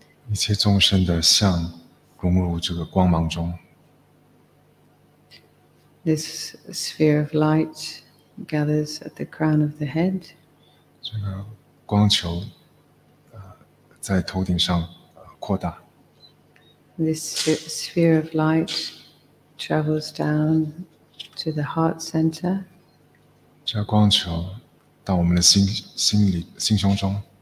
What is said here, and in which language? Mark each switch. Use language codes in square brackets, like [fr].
[zh] 一切众生的相融入这个光芒中。 [en] This sphere of light gathers at the crown of the head. [zh] 这个光球在头顶上扩大。 [en] This sphere of light travels down to the heart center. [zh] 这光球到我们的心胸中。